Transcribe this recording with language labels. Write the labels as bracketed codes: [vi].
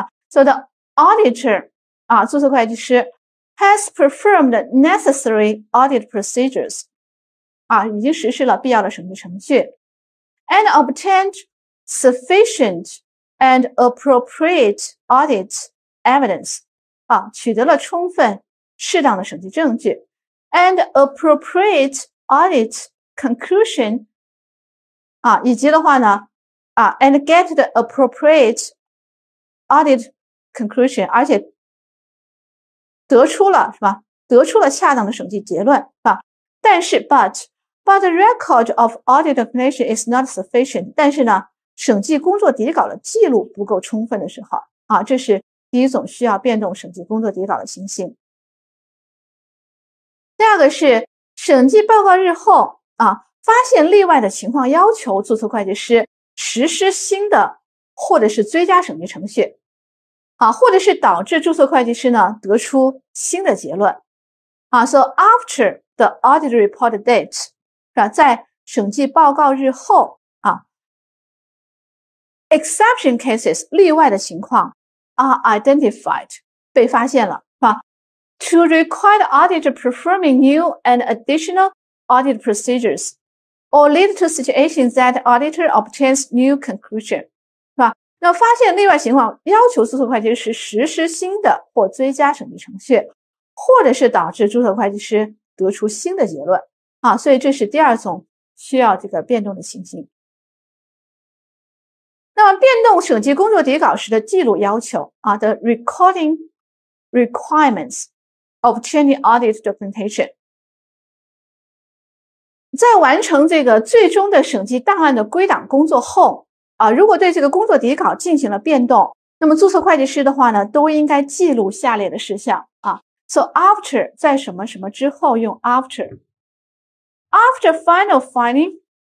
[en] So the auditor, 注册会计师has performed necessary audit procedures, [zh] 已经实施了必要的审计程序 [en] and obtained sufficient and appropriate audit evidence, [zh] 取得了充分适当的审计证据 [en] and appropriate audit conclusion, [zh] 以及的话呢 [en] and get the appropriate audit conclusion, [zh] 而且得出了是吧？得出了恰当的审计结论啊。 [en] 但是 but the record of audit documentation is not sufficient. [zh] 但是呢，审计工作底稿的记录不够充分的时候啊，这是第一种需要变动审计工作底稿的情形。第二个是审计报告日后发现例外的情况，要求注册会计师实施新的或者是追加审计程序。或者是导致注册会计师呢得出新的结论。 [en] So after the audit report date, [zh] 在审计报告日后 [en] exception cases, [zh] 例外的情况 [en] are identified, [zh] 被发现了。 [en] To require the auditor performing new and additional audit procedures, or lead to situations that the auditor obtains new conclusion. [zh] 那发现例外情况，要求注册会计师实施新的或追加审计程序，或者是导致注册会计师得出新的结论所以这是第二种需要这个变动的情形。那么变动审计工作底稿时的记录要求 [en] the recording requirements of changing audit documentation， [zh] 在完成这个最终的审计档案的归档工作后如果对这个工作底稿进行了变动，那么注册会计师的话呢都应该记录下列的事项 [en] So after [zh] 在什么什么之后用 [en] after After final finding